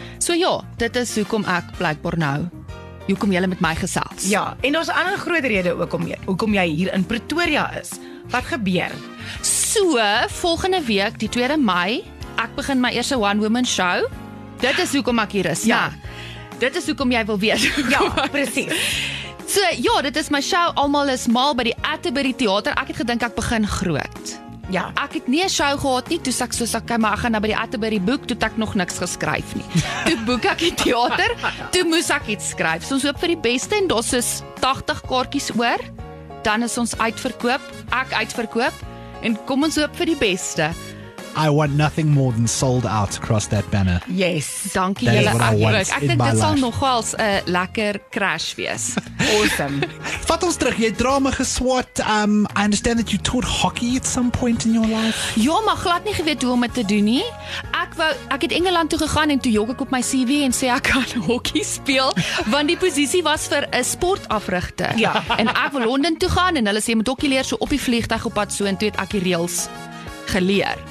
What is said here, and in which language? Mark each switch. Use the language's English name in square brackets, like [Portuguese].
[Afrikaans] So ja, dit is hoekom ek blijkbaar nou. Hoekom jy met my gesels. Ja, en daar's 'n ander groot rede ook om hoekom jy hier in Pretoria is. Wat gebeur? So, volgende week, die 2 Mei, ek begin my eerste One Woman Show. Dit is hoekom ek hier is. Ja. Dit is hoekom jy wil weet. Ja, presies. So, ja, dit is my show. Almal is mal by die Atterbury Theater. Ek het gedink ek begin groot. Ja. Ek het nie 'n show gehad nie, toe sê ek soos ek, okay, maar ek gaan nou by die Atterbury boek, toe ek nog niks geskryf nie. Toe boek ek die theater, toe moes ek iets skryf. So, ons hoop vir die beste en daar's soos 80 kaartjies oor. Dan is ons uitverkoop, ek uitverkoop. En kom ons hoop vir die beste. [English] I want nothing more than sold out across that banner. Yes. [Afrikaans] Dankie julle. Ek dink dit sal nogals 'n lekker crash wees. [English] Awesome. [Afrikaans] Vat ons terug. Jy het drama geswat. [English] I understand that you taught hockey at some point in your life. [Afrikaans] Ja, maar glad nie geweet hoe om dit te doen nie. Ek het Engeland toe gegaan en toe jok ek op my CV en sê ek kan hockey speel, want die posisie was vir 'n sportafrigter. Ja. En ek wil Londen toe gaan en hulle sê jy moet hockey leer so op die vliegtuig op pad so en toe het ek die reels geleer.